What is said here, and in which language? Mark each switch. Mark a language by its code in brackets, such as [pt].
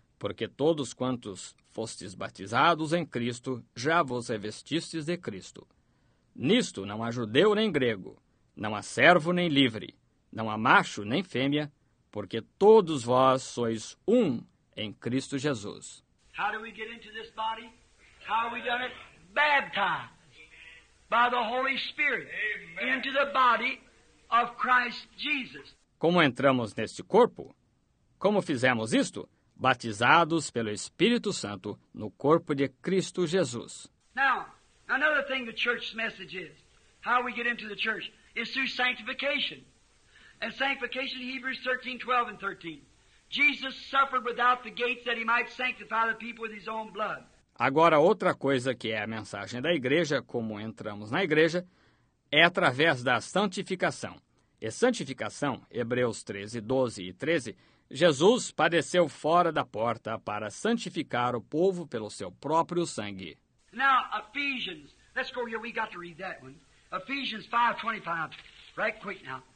[pt] Porque todos quantos fostes batizados em Cristo, já vos revestistes de Cristo. Nisto não há judeu nem grego, não há servo nem livre, não há macho nem fêmea, porque todos vós sois um em Cristo Jesus. [en] How do we get into this body? How have we done it? Baptized by the Holy Spirit. Amen. Into the body of Christ Jesus. [pt] Como entramos neste corpo? Como fizemos isto? Batizados pelo Espírito Santo no corpo de Cristo Jesus. [en] Now, another thing the church's message is, how we get into the church, is through sanctification. And sanctification, Hebrews 13, 12 and 13. Jesus suffered without the gates that he might sanctify the people with his own blood. [pt] Agora, outra coisa que é a mensagem da igreja, como entramos na igreja, é através da santificação. E santificação, Hebreus 13, 12 e 13, Jesus padeceu fora da porta para santificar o povo pelo seu próprio sangue. [en] Now, Ephesians, let's go here, we got to read that one. Ephesians 5, 25, right quick now.